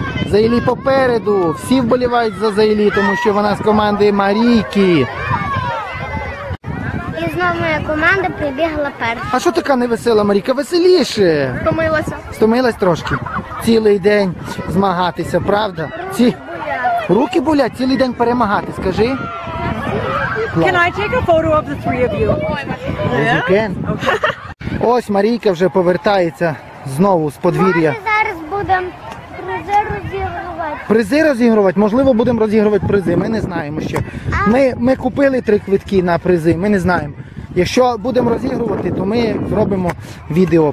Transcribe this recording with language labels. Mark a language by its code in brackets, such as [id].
[uk] Зайлі попереду, всі вболівають за Зайлі, тому що вона з команди Марійки. І знову моя команда прибігла перша. А що така невесела, Марійка? Веселіше. Втомилася. Втомилась трошки? Цілий день змагатися, правда? Руки болять, цілий день перемагати, скажи. [en] Can I take a photo of the three of you? Yes, you can. [uk] Ось Марійка вже повертається знову з подвір'я. Може, зараз будемо призи розігрувати? Призи розігрувати? Можливо, будемо розігрувати призи, ми не знаємо ще. Ми купили три квитки на призи, ми не знаємо. Якщо будемо розігрувати, то ми зробимо відео.